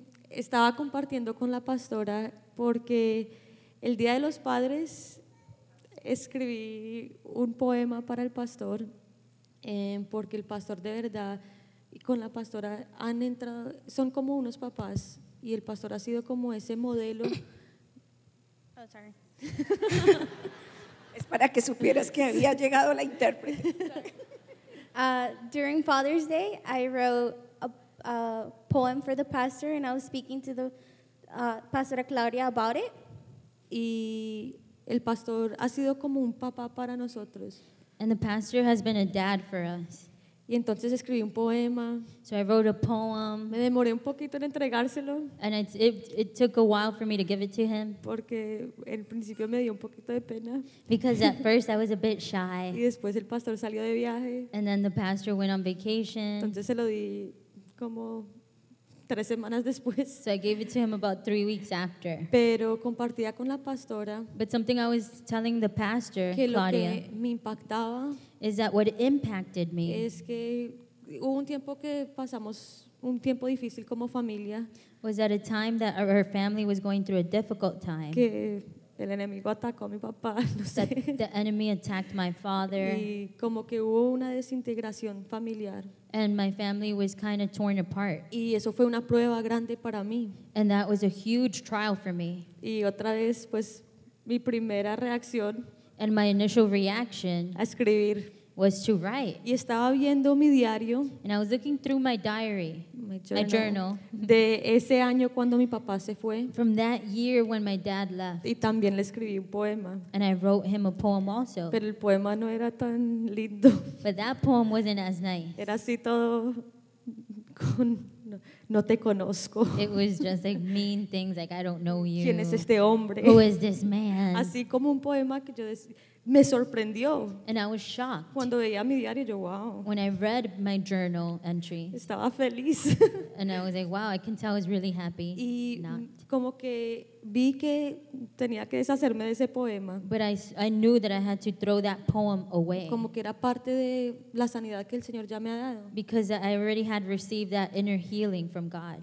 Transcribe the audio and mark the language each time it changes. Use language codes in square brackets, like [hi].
[es] estaba compartiendo con la pastora porque el Día de los Padres escribí un poema para el pastor, porque el pastor de verdad y con la pastora han entrado, son como unos papás. Y el pastor ha sido como ese modelo. [en] Oh, sorry. [es] Es para que supieras que había llegado la intérprete. [en] During Father's Day, I wrote a poem for the pastor, and I was speaking to the pastora Claudia about it. [es] Y el pastor ha sido como un papá para nosotros. [en] And the pastor has been a dad for us. [es] Y entonces escribí un poema. [en] So I wrote a poem. [es] Me demoré un poquito en entregárselo. [en] And it took a while for me to give it to him. [es] Porque en principio me dio un poquito de pena. [en] Because at first I was a bit shy. [es] Y después el pastor salió de viaje. [en] And then the pastor went on vacation. [es] Entonces se lo di como 3 semanas después. [en] So I gave it to him about 3 weeks after. [es] Pero compartía con la pastora. [en] But something I was telling the pastor, [es] que lo Claudia, que me impactaba, [en] is that what impacted me. [es] Es que hubo un tiempo que pasamos un tiempo difícil como familia. [en] Was at a time that our family was going through a difficult time. [es] Que el enemigo atacó a mi papá, no sé. [en] The enemy attacked my father. [es] Y como que hubo una desintegración familiar. [en] And my family was kind of torn apart. [es] Y eso fue una prueba grande para mí. [en] And that was a huge trial for me. [es] Y otra vez, pues, mi primera reacción. [en] And my initial reaction. [es] A escribir. [en] Was to write. [es] Y estaba viendo mi diario. [en] And I was looking through my diary. My journal. [es] De ese año cuando mi papá se fue. [en] From that year when my dad left. [es] Y también le escribí un poema. [en] And I wrote him a poem also. [es] Pero el poema no era tan lindo. [en] But that poem wasn't as nice. [es] Era así todo con no te conozco. [en] It was just like mean things like I don't know you. [es] ¿Quién es este hombre? [en] Who is this man? [es] Así como un poema que yo decía. Me sorprendió. [en] And I was shocked. [es] Cuando veía mi diario, yo, wow. [en] When I read my journal entry. [es] Estaba feliz. [en] And I was like, wow, I can tell I was really happy. [es] Y como que vi que tenía que deshacerme de ese poema. [en] But I knew that I had to throw that poem away. [es] Como que era parte de la sanidad que el Señor ya me ha dado. [en] Because I already had received that inner healing from God.